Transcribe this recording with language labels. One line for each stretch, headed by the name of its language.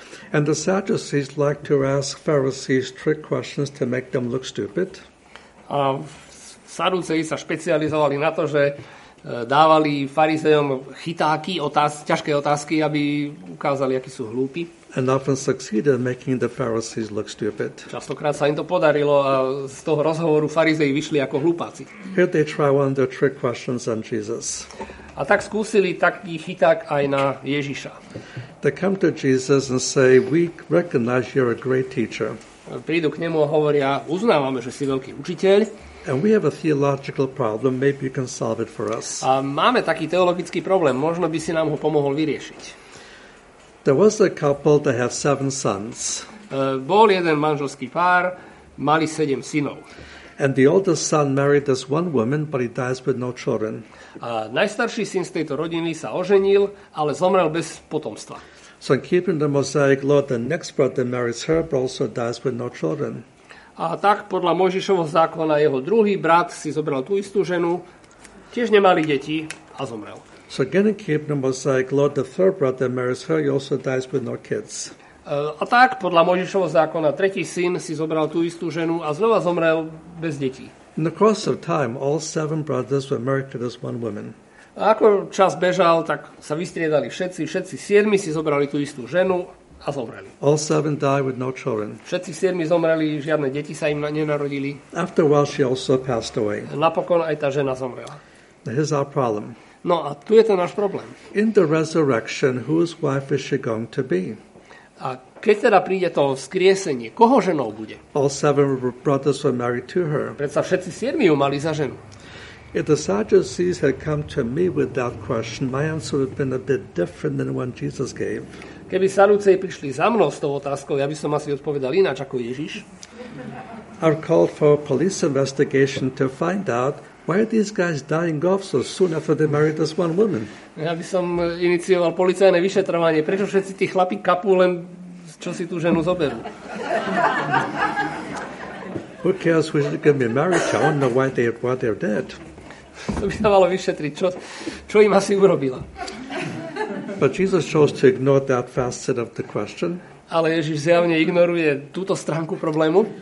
English: And the Sadducees liked to ask Pharisees trick questions to make them look stupid.
Slovak: A Sadducei sa špecializovali na to, že dávali farizejom chytáky, ťažké otázky, aby ukázali, akí sú hlúpi.
English: And often succeeded in making the Pharisees look stupid.
Slovak: Častokrát sa im to podarilo a z toho rozhovoru farizei vyšli ako hlupáci.
English: Here they try one of the trick questions on Jesus.
Slovak: A tak skúsili taký chyták aj na Ježiša.
English: They come to Jesus and say, we recognize you're a great teacher.
Slovak: Prídu k nemu a hovoria, uznávame, že si veľký učiteľ.
English: And we have a theological problem, maybe you can solve it for us.
Slovak: A máme taký teologický problém, možno by si nám ho pomohol vyriešiť.
English: There was a couple that had 7 sons.
Slovak: Bol jeden manželský pár, mali 7 synov.
English: And the oldest son married this one woman, but he dies with no children.
Slovak: A najstarší syn z tejto rodiny sa oženil, ale zomrel bez potomstva.
English: So in keeping the Mosaic law, the next brother marries her, but also dies with no children.
Slovak: A tak podľa Mojžišovho zákona jeho druhý brat si zobral tú istú ženu, tiež nemali deti a zomrel.
English: So again, keep the Mosaic law, the third brother marries her, he also dies with no kids.
Slovak: A tak, podľa Mojžišovho zákona, tretí syn si zobral tú istú ženu a znova zomrel bez detí.
English: In the course of time, all 7 brothers were married to this one woman.
Slovak: A ako čas bežal, tak sa vystriedali všetci siedmi si zobrali tú istú ženu a zomreli.
English: All 7 died with no children.
Slovak: Všetci siedmi zomreli, žiadne deti sa im nenarodili.
English: After a while, she also passed away.
Slovak: Napokon aj tá žena zomrela.
English: This is our problem.
Slovak: No a tu je ten náš problém.
English: In the resurrection, whose wife is she going to be?
Slovak: A keď teda príde to vzkriesenie, koho ženou bude?
English: All 7 brothers were married to her.
Slovak: Predsa všetci siedmi ju mali za ženu.
English: If the Sadducees had come to me with that question, my answer would have been a bit different than the one Jesus gave.
Slovak: Keby Sadducei prišli za mnou s tou otázkou, ja by som asi odpovedal ináč ako Ježiš.
English: I called for a police investigation to find out, why are these guys dying off so soon after they married this one woman?
Slovak: Ja by som inicioval policajné vyšetrovanie. Prečo všetci tí chlapi kapú len, čo si tú ženu zoberú?
English: Who cares who she's going to be married to? I don't know why they're dead.
Slovak: To by sa malo vyšetriť. Čo im asi urobila?
English: But Jesus chose to ignore that facet of the question.
Slovak: Ale Ježiš zjavne ignoruje túto stránku problému.